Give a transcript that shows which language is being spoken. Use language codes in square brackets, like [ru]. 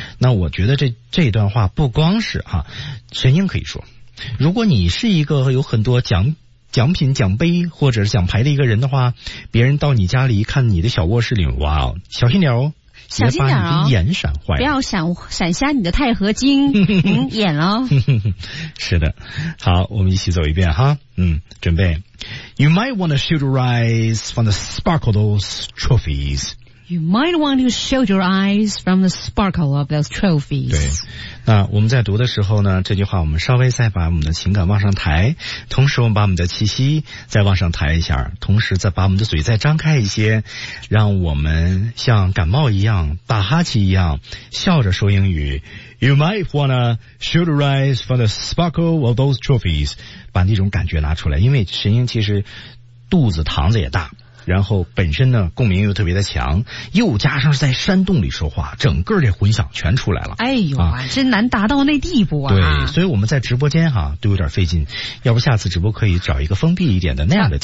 [zh] 那我觉得这一段话不光是啊，神鹰可以说，如果你是一个有很多奖品、奖杯或者是奖牌的一个人的话，别人到你家里看你的小卧室里，哇哦，小心点哦。小心点哦，别把你的眼闪坏了，不要闪瞎你的钛合金、嗯、眼哦。是的，好，我们一起走一遍哈。嗯，准备。 [en] You might want to shield your eyes from the sparkle of those trophies. You might want to shield your eyes from the sparkle of those trophies. [zh] 对，那我们在读的时候呢，这句话我们稍微再把我们的情感往上抬，同时我们把我们的气息再往上抬一下，同时再把我们的嘴再张开一些，让我们像感冒一样，打哈气一样，笑着说英语。 [en] You might want to shield your eyes from the sparkle of those trophies. [zh] 把那种感觉拿出来，因为神鹰其实肚子膛子也大，然后本身呢共鸣又特别的强，又加上在山洞里说话，整个这混响全出来了。哎呦，真难达到那地步啊。对，所以我们在直播间哈都有点费劲，要不下次直播可以找一个封闭一点的那样的地